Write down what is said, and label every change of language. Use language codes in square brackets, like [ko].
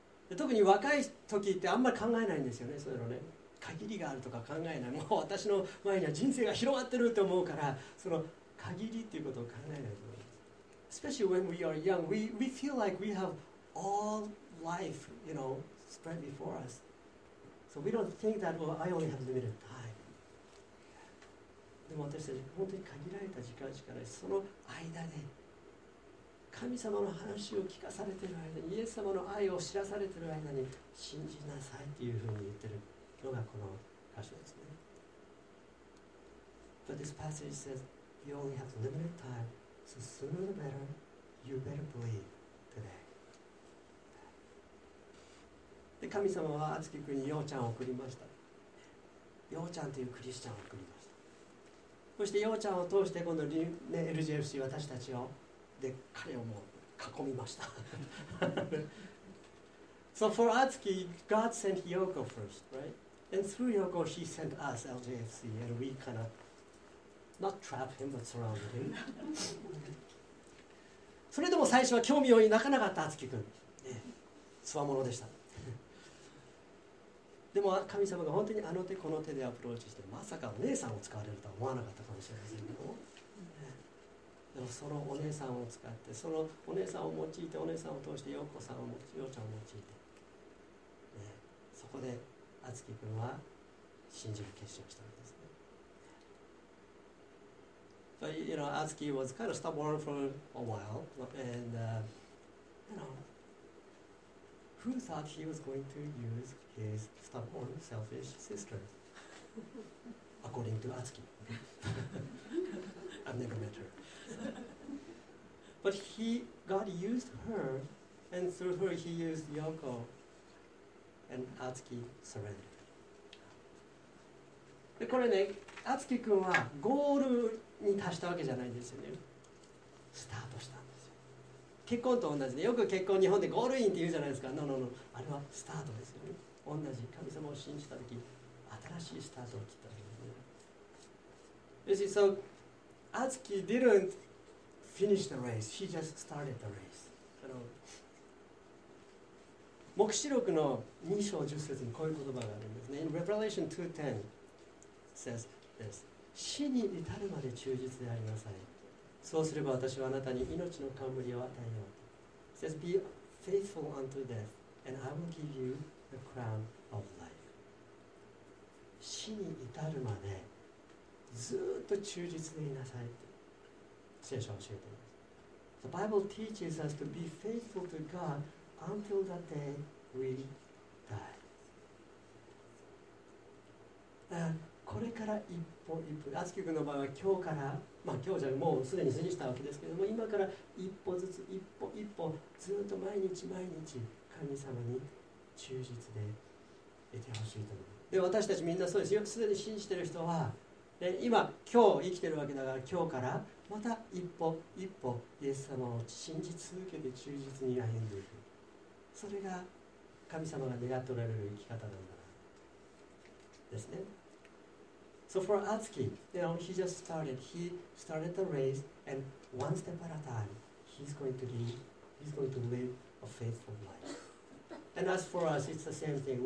[ja] で特に若い時ってあんまり考えないんですよね、そういうのね。限りがあるとか考えない。もう私の前には人生が広がってると思うから、その限りっていうことを考えないと思います。 [en] Especially when we are young, we feel like we have all life, you know, spread before us. So we don't think that, well, I only have limited time. [ja] でも私たち本当に限られた時間しかない。その間で神様の話を聞かされている間に、イエス様の愛を知らされている間に信じなさいっていうふうに言ってるのがこの箇所ですね。 [en] But this passage says you only have limited time, so sooner the better, you better believe today. [ja] で神様は敦貴君にようちゃんを送りました。ようちゃんというクリスチャンを送りました。そしてようちゃんを通して今度、ね、LGFC 私たちをで彼をもう囲みました。 [en] So for Atsuki, God sent Yoko first, right? And through Yoko, he sent us LGFC, and we kind of not trap him, but surround him. [ja] それでも最初は興味を抱かなかった Atsuki 君、ね、つわものでした。でも神様が本当にあの手この手でアプローチして、まさかお姉さんを使われるとは思わなかったかもしれませんけど、でもそのお姉さんを使って、そのお姉さんを用いて、お姉さんを通して陽子さんを、陽ちゃんを用いて、ね、そこで敦貴君は信じる決心をしたんですね。 [en] So you know, 敦貴 was kind of stubborn for a while and you know Who thought he was going to use his stubborn, selfish sister? According to Atsuki. I've never met her. But he, God used her, and through her he used Yoko, and Atsuki surrendered. [ja] で、これね、アツキ君はゴールに達したわけじゃないんですよね。スタートしたんですよ。結婚と同じで、よく結婚日本でゴールインって言うじゃないですか。ノノノ、あれはスタートですよね。同じ、神様を信じたとき、新しいスタートを切ったわけですね。 [en] You see, so, アツキ didn't finish the race. He just started the race. [ja] 黙示録の2章10節にこういう言葉があるんですね。 [en] In Revelation 2:10,says this, [ja] 死に至るまで忠実でありなさい。そうすれば私はあなたに命の冠を与えよう。 [en] says, be faithful unto death, and I will give you the crown of life. [ja] 死に至るまでずっと忠実でいなさいと聖書は教えています。 [en] The Bible teaches us to be faithful to God until that day we die. [ja] これから一歩一歩、アツキ君の場合は今日から、まあ今日じゃもうすでに過ぎたわけですけども、今から一歩ずつ、一歩一歩、ずっと毎日毎日、神様に忠実でいてほしいと思う。で、私たちみんなそうですよ。すでに信じている人は、で今、今日生きているわけだから、今日からまた一歩一歩、イエス様を信じ続けて忠実に歩んでいく。それが神様が願っておられる生き方なんだ。ですね。 [en] So for Atsuki, you know, he just started. He started the race, and one step at a time, he's going to live a faithful life. And as for us, it's the same thing.